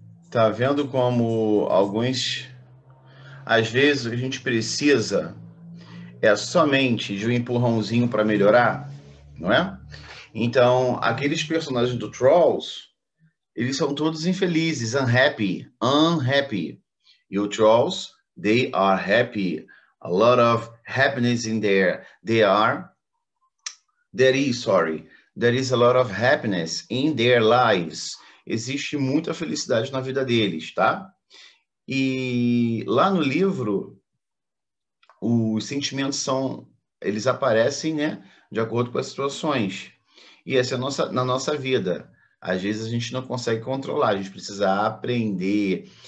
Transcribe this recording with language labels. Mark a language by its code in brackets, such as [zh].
[pt] Tá vendo como alguns, às vezes, a gente precisa é somente de um empurrãozinho para melhorar, não é? Então, aqueles personagens do Trolls, eles são todos infelizes, [en] unhappy, unhappy. E o Trolls, they are happy. A lot of happiness in there. They are. There is a lot of happiness in their lives. [pt] Existe muita felicidade na vida deles, tá? E lá no livro, os sentimentos são, eles aparecem, né, de acordo com as situações. E essa é a nossa, na nossa vida. Às vezes a gente não consegue controlar, a gente precisa aprender.